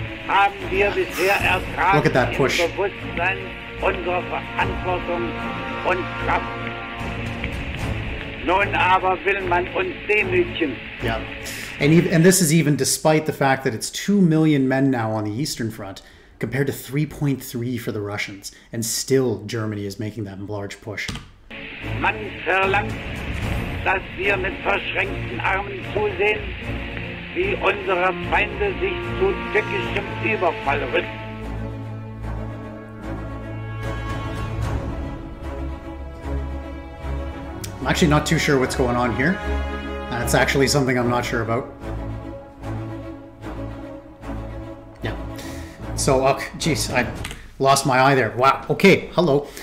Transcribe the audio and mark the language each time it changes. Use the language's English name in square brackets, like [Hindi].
[English] Look at that push. Yeah, and this is even despite the fact that it's 2 million men now on the Eastern Front compared to 3.3 for the Russians, and still Germany is making that large push. [German] Man verlangt, dass wir mit verschränkten Armen zusehen, wie unsere Feinde sich zu türkischem Überfall rüsten. [English] I'm actually not too sure what's going on here. That's actually something I'm not sure about. Yeah. So, geez, I lost my eye there. Wow. Okay. Hello.